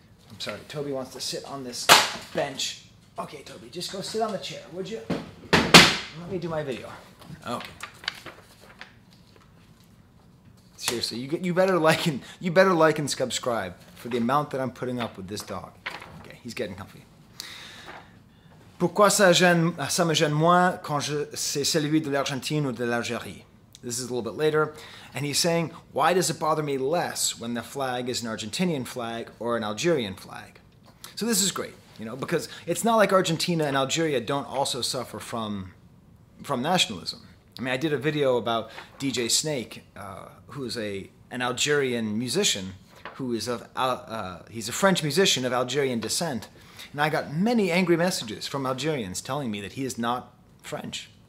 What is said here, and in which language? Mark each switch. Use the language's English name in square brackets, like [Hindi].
[English] I'm sorry, Toby wants to sit on this bench. Okay, Toby, just go sit on the chair, would you? Let me do my video. Okay. Seriously, you better like and subscribe for the amount that I'm putting up with this dog. Okay, he's getting comfy. [French] Pourquoi ça me gêne moins quand c'est celui de l'Argentine ou de l'Algérie? [English] This is a little bit later, and he's saying, why does it bother me less when the flag is an Argentinian flag or an Algerian flag? So this is great, you know, because it's not like Argentina and Algeria don't also suffer from nationalism. I mean, I did a video about DJ Snake, who is an Algerian musician, who is he's a French musician of Algerian descent, and I got many angry messages from Algerians telling me that he is not French.